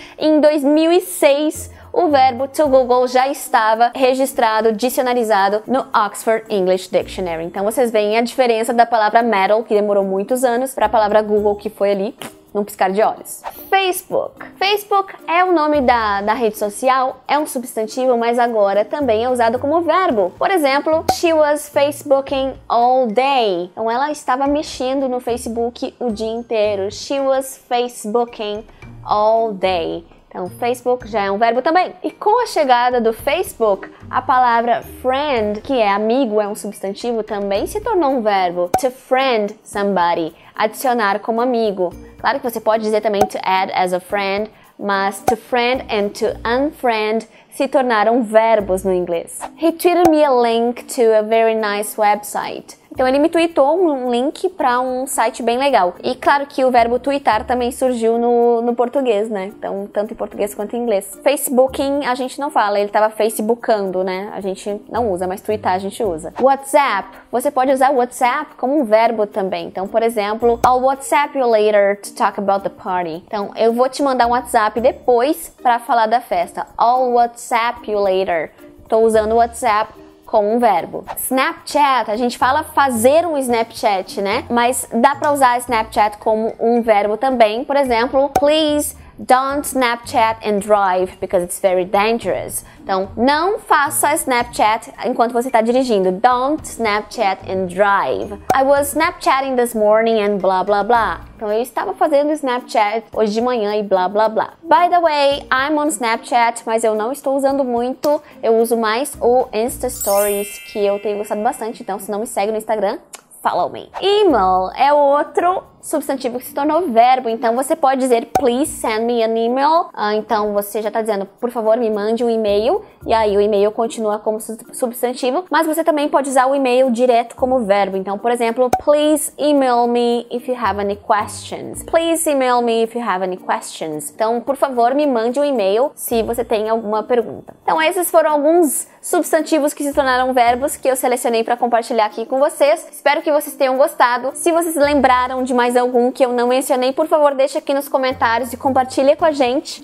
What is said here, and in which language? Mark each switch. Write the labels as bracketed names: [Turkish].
[Portuguese] Em 2006, o verbo to Google já estava registrado, dicionarizado no Oxford English Dictionary. Então, vocês veem a diferença da palavra metal, que demorou muitos anos, para a palavra Google, que foi ali num piscar de olhos. Facebook. Facebook é o nome da rede social, é um substantivo, mas agora também é usado como verbo. Por exemplo, [English] she was Facebooking all day. [Portuguese] Então ela estava mexendo no Facebook o dia inteiro. [English] She was Facebooking all day. [Portuguese] Então Facebook já é um verbo também. E com a chegada do Facebook, a palavra friend, que é amigo, é um substantivo, também se tornou um verbo. [English] To friend somebody, [Portuguese] adicionar como amigo. Claro que você pode dizer também [English] to add as a friend, [Portuguese] mas [English] to friend and to unfriend [Portuguese] se tornaram verbos no inglês. [English] He tweeted me a link to a very nice website. [Portuguese] Então ele me tweetou um link para um site bem legal. E claro que o verbo tweetar também surgiu no português, né? Então tanto em português quanto em inglês. Facebooking a gente não fala, ele tava facebookando, né? A gente não usa, mas tweetar a gente usa. WhatsApp, você pode usar WhatsApp como um verbo também. Então, por exemplo, [English] I'll WhatsApp you later to talk about the party. [Portuguese] Então eu vou te mandar um WhatsApp depois para falar da festa. [English] I'll WhatsApp you later. [Portuguese] Tô usando WhatsApp com um verbo. Snapchat, a gente fala fazer um Snapchat, né? Mas dá pra usar Snapchat como um verbo também. Por exemplo, please [English] Don't Snapchat and drive because it's very dangerous. [Portuguese] Então, não faça Snapchat enquanto você está dirigindo. [English] Don't Snapchat and drive. I was Snapchatting this morning and blah blah blah. [Portuguese] Então, eu estava fazendo Snapchat hoje de manhã e blah blah blah. [English] By the way, I'm on Snapchat, [Portuguese] mas eu não estou usando muito. Eu uso mais o Insta Stories, que eu tenho gostado bastante. Então, se não me segue no Instagram, [English] follow me. [Portuguese] Email é outro substantivo que se tornou verbo. Então, você pode dizer, [English] please send me an email. [Portuguese] Então, você já está dizendo, por favor, me mande um e-mail. E aí, o e-mail continua como substantivo. Mas você também pode usar o e-mail direto como verbo. Então, por exemplo, [English] please email me if you have any questions. Please email me if you have any questions. [Portuguese] Então, por favor, me mande um e-mail se você tem alguma pergunta. Então, esses foram alguns substantivos que se tornaram verbos que eu selecionei para compartilhar aqui com vocês. Espero que vocês tenham gostado. Se vocês lembraram de mais algum que eu não mencionei, por favor, deixa aqui nos comentários e compartilha com a gente.